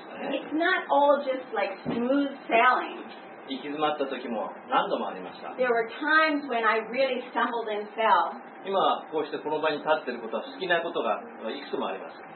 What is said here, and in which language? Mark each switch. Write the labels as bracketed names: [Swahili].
[English] It's not all just like smooth sailing. [Japanese] 行き詰まった時も何度もありました。 [English] There were times when I really stumbled and fell. [Japanese] 今こうしてこの場に立っていることは好きなことがいくつもあります。